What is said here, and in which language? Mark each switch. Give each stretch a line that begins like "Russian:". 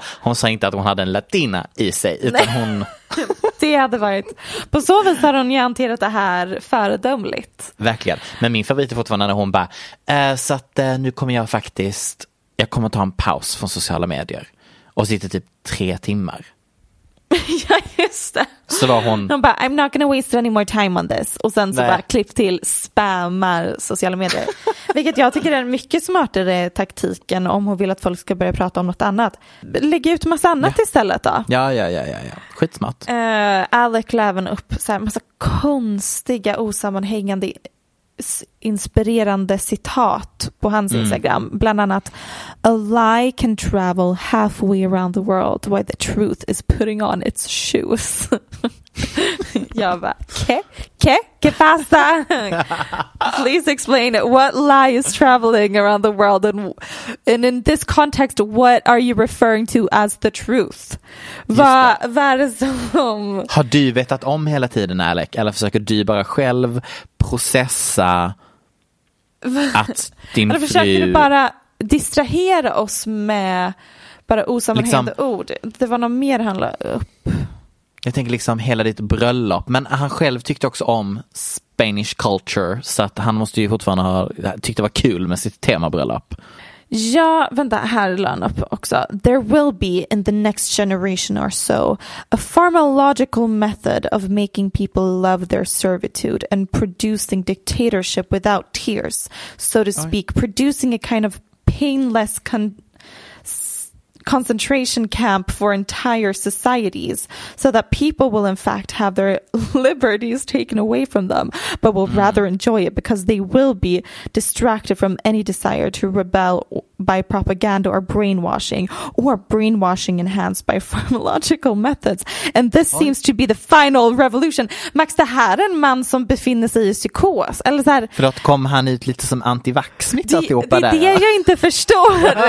Swedish: Hon sa inte att hon hade en latina i sig, utan nej, hon... Det hade varit... På så vis har hon ju hanterat det här föredömligt. Verkligen. Men min favorit är fortfarande när hon bara, så att nu kommer jag faktiskt... Jag kommer ta en paus från sociala medier. Och sitter typ 3 timmar. Ja, just det. Så var hon... Hon bara,
English: I'm not gonna waste any more time on this.
Swedish: Och sen så bara klipp till spammar sociala medier. Vilket jag tycker är en mycket smartare taktiken om hon vill att folk ska börja prata om något annat. Lägg ut massa annat istället då. Ja. Skitsmart. Alec Laven upp så här massa konstiga, osammanhängande... inspirerande citat på hans Instagram, bland annat
English: a lie can travel halfway around the world while the truth is putting on its shoes.
Swedish: Jag bara, ke pasa?
English: Please explain what lie is traveling around the world and in this context what are you referring to as the truth?
Swedish: Vad är det som... Har du vetat om hela tiden, Alec? Eller försöker du bara själv processa att din eller försöker fru... du bara distrahera oss med bara osammanhängande liksom... ord? Det var något mer han la upp. Jag tänker liksom hela ditt bröllop. Men han själv tyckte också om
English: Spanish culture.
Swedish: Så att han måste ju fortfarande ha tyckt det var kul med sitt temabröllop. Ja, vänta, här lade han upp också.
English: There will be in the next generation or so a pharmacological method of making people love their servitude and producing dictatorship without tears, so to speak. Producing a kind of painless concentration camp for entire societies so that people will in fact have their liberties taken away from them but will rather enjoy it because they will be distracted from any desire to rebel by propaganda or brainwashing enhanced by pharmacological methods. And this seems to be the final revolution.
Swedish: Max, det här är en man som befinner sig i psykos. Eller så här, förlåt, kom han ut lite som antivax mitt alltihopa där? Det är det jag inte förstår.